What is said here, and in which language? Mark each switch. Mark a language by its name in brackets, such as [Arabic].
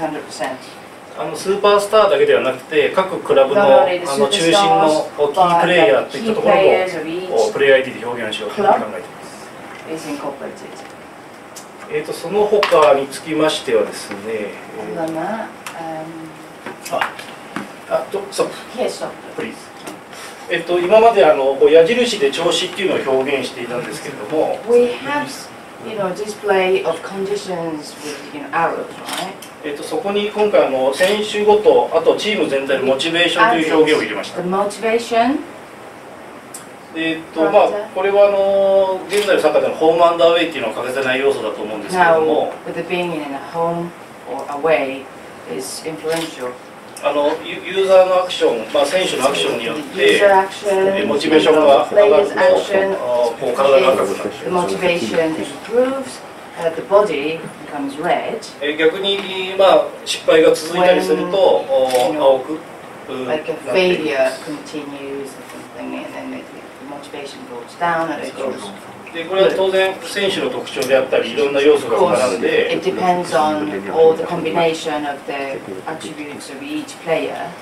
[Japanese] スーパースターだけではなくて、各クラブ の, 中心のキープレイヤーといったところをプレイヤー ID で表現しようと考えています。その他につきましてはですね、今まで矢印で調子っていうのを表現していたんですけれども、 [English] We have, display of conditions with, arrows, right? [Japanese] そこに今回選手ごと、あとチーム全体のモチベーションという表現を入れました。 [English] The motivation. [Japanese] まあ、これは現在のサッカーでのホームアンドアウェイというのは欠かせない要素だと思うんですけれども、 [English] Now, with being in a home or away is influential. [Japanese] ユーザーのアクション、まあ、選手のアクションによって、モチベーションが上がると、体が赤くなる。 [English] The motivation improves, the body becomes red. [Japanese] 逆に、まあ、失敗が続いたりすると、青く。 [English] Like a failure continues or something, and then it, [Japanese] でこれは当然選手の特徴であったりいろんな要素が絡んで、 [English] It depends on all the combination of the attributes of each player.